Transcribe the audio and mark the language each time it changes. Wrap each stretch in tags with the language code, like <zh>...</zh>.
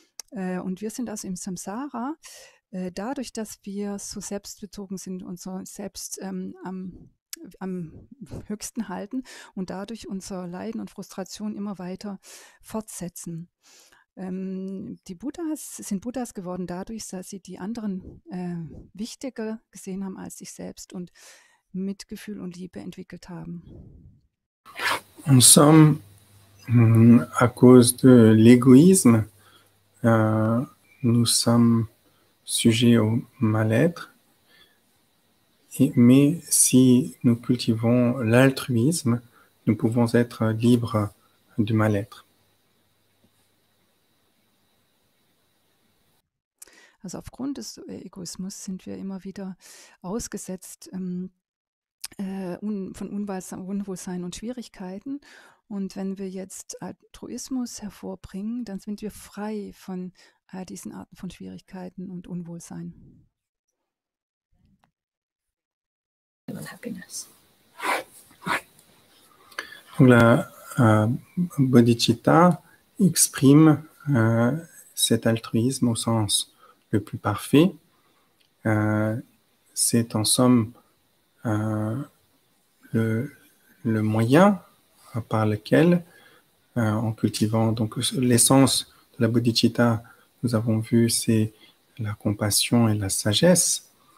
<de>Und wir sind also im Samsara, dadurch, dass wir so selbstbezogen sind und so selbst am höchsten halten und dadurch unser Leiden und Frustration immer weiter fortsetzen. Die Buddhas geworden dadurch, dass sie die anderen wichtiger gesehen haben als sich selbst und Mitgefühl und Liebe entwickelt haben.</de> <fr>Und some à cause de l'égoïsme, nous sommes sujets au mal-être. Mais si nous cultivons l'altruisme, nous pouvons être libres du mal-être.</fr> <de>Also aufgrund des Egoismus sind wir immer wieder ausgesetzt von Unwohlsein und Schwierigkeiten. Und wenn wir jetzt Altruismus hervorbringen, dann sind wir frei von all diesen Arten von Schwierigkeiten und Unwohlsein.</de> <fr>Donc la bodhicitta exprime cet altruisme au sens le plus parfait. C'est en somme le moyen par lequel, en cultivant donc l'essence de la bodhicitta, nous avons vu c'est la compassion et la sagesse.</fr>